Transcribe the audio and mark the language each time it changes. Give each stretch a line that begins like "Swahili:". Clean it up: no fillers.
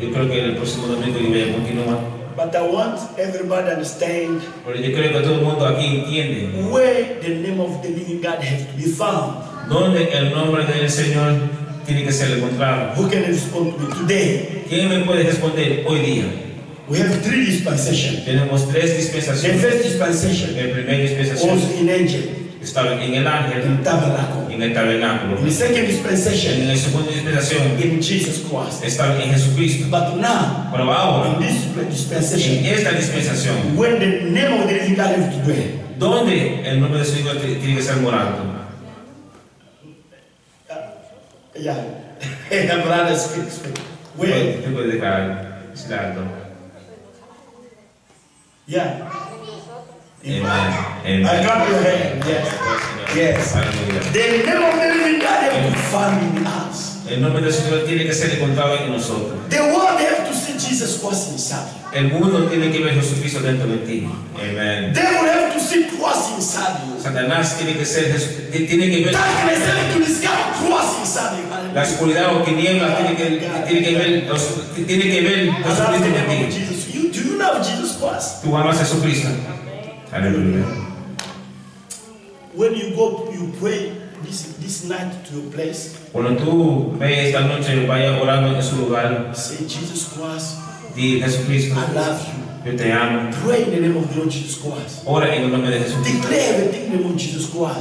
Spanish: Yo creo que el próximo domingo yo voy a continuar.
English: But I want everybody to understand.
Spanish: Pero yo creo que todo el mundo aquí entiende.
English: Where the name of the living God has to be found.
Spanish: Donde el nombre del Señor tiene que ser encontrado.
English: Who can respond to me today?
Spanish: ¿Quién me puede responder hoy día?
English: We have three dispensations.
Spanish: Tenemos tres dispensaciones.
English: The first dispensation.
Spanish: La primera dispensación.
English: Was in angel.
Spanish: Estaba en el ángel, in tabernáculo, en el tabernáculo.
English: In the second dispensation,
Spanish: en la segunda dispensación,
English: in Jesus Christ,
Spanish: estaba en Jesucristo.
English: But now,
Spanish: pero ahora,
English: in this dispensation,
Spanish: en esta dispensación,
English: when the name of the living God is to dwell,
Spanish: donde el nombre del Señor tiene que ser morando.
English: Yeah, the brother speaks.
Spanish: Where? ¿Qué puede declarar? Silardo.
English: Yeah. Amen. Amen. I got your hand. Yes. Yes. Hallelujah. The name of the living God has to be found in us.
Spanish: El nombre del Señor tiene que ser encontrado en nosotros.
English: The world has to see Jesus Christ inside.
Spanish: El mundo tiene que ver Jesucristo dentro de ti.
English: Amen. They will have to see Christ inside you.
Spanish: Satanás tiene que ser tiene que ver.
English: Darkness has to discover Christ inside you.
Spanish: La oscuridad o tinieblas tiene que ver Jesucristo en ti.
English: Jesus, you do you love Jesus Christ?
Spanish: Tú amas a Jesucristo.
English: When you go, you pray this night to your place.
Spanish: Cuando tú ves esta noche vaya orando en su lugar.
English: Say Jesus Christ.
Spanish: Di Jesucristo.
English: I love you.
Spanish: Yo te amo.
English: Pray in the name of the Lord Jesus Christ.
Spanish: Ora en el nombre de Jesús.
English: Declare everything in the name of Jesus Christ.